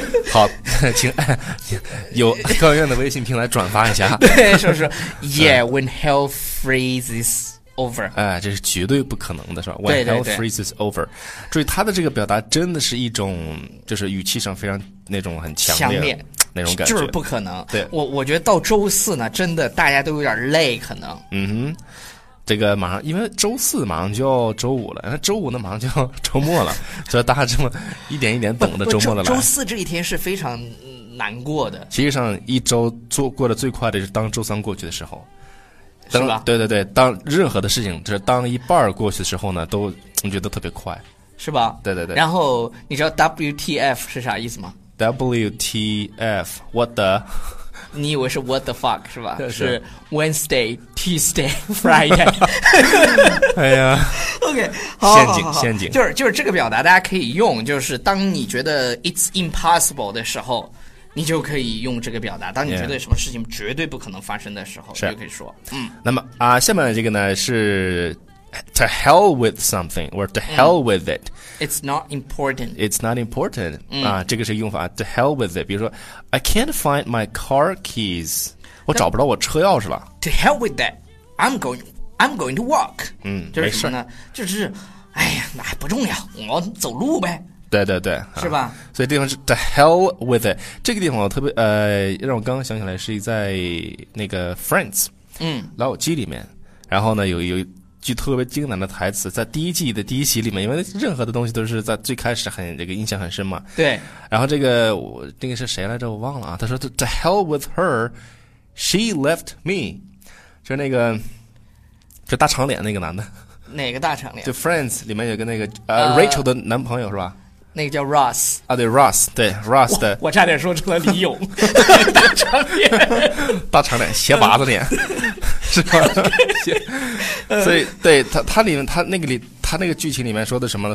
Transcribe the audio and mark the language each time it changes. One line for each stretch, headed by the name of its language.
Chinese: 好，请有高院的微信平台转发一下对，是不是
English: Yeah, when hell freezes over、
Chinese: 这是绝对不可能的是吧。
English: When hell freezes over，
Chinese: 对对对，注意他的这个表达真的是一种就是语气上非常那种很强烈那种感觉，就是不可能。对，我觉得到周四呢真的大家都有点累，可能这个马上，因为周四马上就要周五了，那周五呢马上就要周末了，所以大家这么一点一点等着周末的来。周四这一天是非常难过的。其实上一周做过的最快的是当周三过去的时候，是吧？对对对，当任何的事情，就是当一半过去的时候呢，都你觉得特别快，是吧？对对对。然后你知道 WTF 是啥意思吗
English: ？WTF what the？
Chinese: 你以为是 what the fuck 是吧？是
English: Wednesday, Tuesday, Friday
Chinese: 哎呀 OK 陷阱陷阱，就是这个表达大家可以用，就是当你觉得
English: it's impossible
Chinese: 的时候你就可以用这个表达，当你觉得什么事情绝对不可能发生的时候就可以说那么下面这个呢是
English: to hell with something, or to hell with it. It's not important. It's not important.
Chinese: 这个是用法
English: to hell with it.
Chinese: 比如说
English: I can't find my car keys.
Chinese: 我找不到我车钥匙了。
English: To hell with that. I'm going to walk.
Chinese: 就是什么呢？就是，哎呀，那不重要，我走路呗。对对对，是吧？所以地方是
English: the hell with it。
Chinese: 这个地方我特别让我刚刚想起来，是在那个 Friends， 老友记里面。然后呢，有句特别精彩的台词，在第一季的第一集里面，因为任何的东西都是在最开始很这个印象很深嘛。对。然后这个是谁来着？我忘了啊。他说
English: the hell with her， she left me，
Chinese: 就是那个。就大长脸那个男的，哪个大长脸？就 Friends 里面有个那个Rachel 的男朋友是吧？那个叫 Ross 啊，对 Ross， 对 Ross 的。我差点说成了李勇，大长脸，大长脸，斜拔子脸，是吧？Okay. 所以对他里面他那个剧情里面说的什么呢？